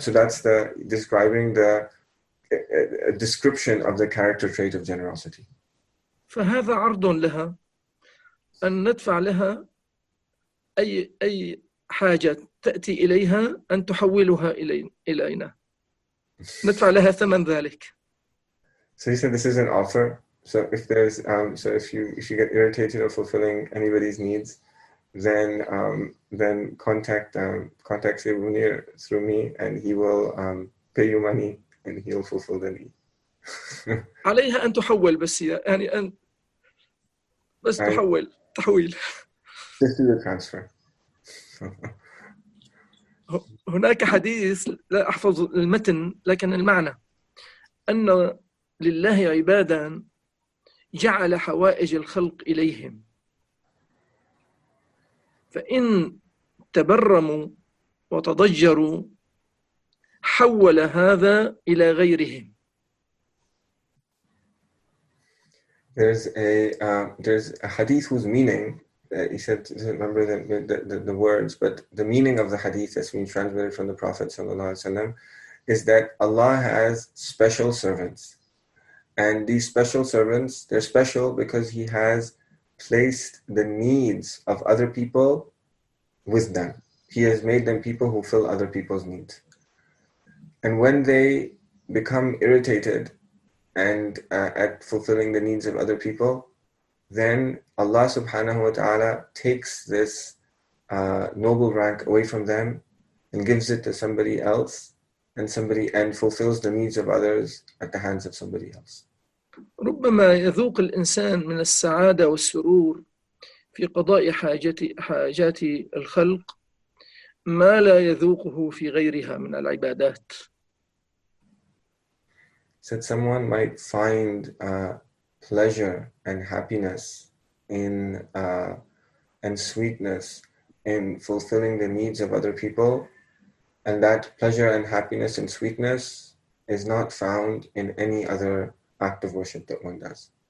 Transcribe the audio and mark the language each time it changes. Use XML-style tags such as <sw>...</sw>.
<en>So that's the describing the description of the character trait of generosity.</en> <ar>فهذا عرض لها أن ندفع لها أي حاجة تأتي إليها أن تحولها إلينا ندفع لها ثمن ذلك.</ar> <en>So he said this is an offer. So if there's so if you get irritated or fulfilling anybody's needs, then contact Ibn Munir through me, and he will pay you money, and he'll fulfill the need.</en> <ar>عليها أن تحول بس يعني أن بس تحول تحويل.</ar> <en>Just do the transfer.</en> <ar>هناك حديث لا أحفظ المتن لكن المعنى أن لله عبادا جعل حوائج الخلق إليهم فإن تبرموا وتضجروا حول هذا إلى غيرهم.</ar> <en>There's a hadith whose meaning, he said, I don't remember the words, but the meaning of the hadith that's been transmitted from the Prophet ﷺ is that Allah has special servants. And these special servants, they're special because He has placed the needs of other people with them. He has made them people who fill other people's needs. And when they become irritated and at fulfilling the needs of other people, then Allah subhanahu wa ta'ala takes this noble rank away from them and gives it to somebody else, and fulfills the needs of others at the hands of somebody else.</en> <ar>ربما يذوق الإنسان من السعادة والسرور في قضاء حاجات الخلق ما لا يذوقه في غيرها من العبادات.</ar> <en>Said someone might find pleasure and happiness in and sweetness in fulfilling the needs of other people, and that pleasure and happiness and sweetness is not found in any other act of worship that one does.</en>